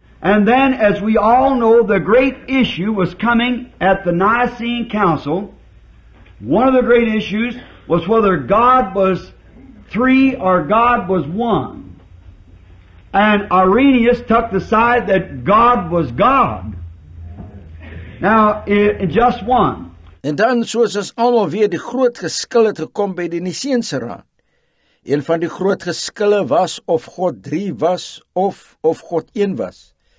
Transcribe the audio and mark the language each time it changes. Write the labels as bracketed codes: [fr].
[en] And then, as we all know, the great issue was coming at the Nicene Council. One of the great issues was whether God was three or God was one. And Irenaeus took the side that God was God. Now, it just one. [af] En dan, soos ons almal weet, die groot geskil het gekom by die Niceense Raad. Een van die groot geskille was of God drie was of God een was.